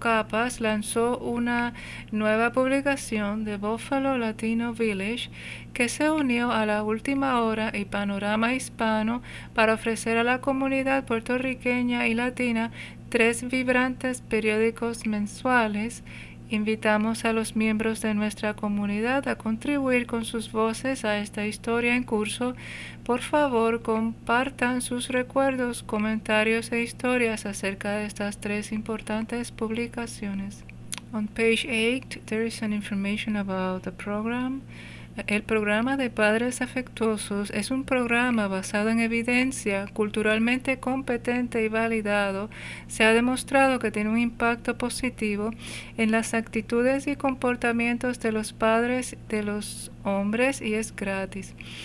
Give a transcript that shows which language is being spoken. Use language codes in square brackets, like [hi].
[es] Capas lanzó una nueva publicación de Buffalo Latino Village que se unió a La Última Hora y Panorama Hispano para ofrecer a la comunidad puertorriqueña y latina tres vibrantes periódicos mensuales. Invitamos a los miembros de nuestra comunidad a contribuir con sus voces a esta historia en curso. Por favor, compartan sus recuerdos, comentarios e historias acerca de estas tres importantes publicaciones. [en] On page 8, there is an information about the program. [es] El programa de Padres Afectuosos es un programa basado en evidencia, culturalmente competente y validado. Se ha demostrado que tiene un impacto positivo en las actitudes y comportamientos de los padres de los hombres y es gratis.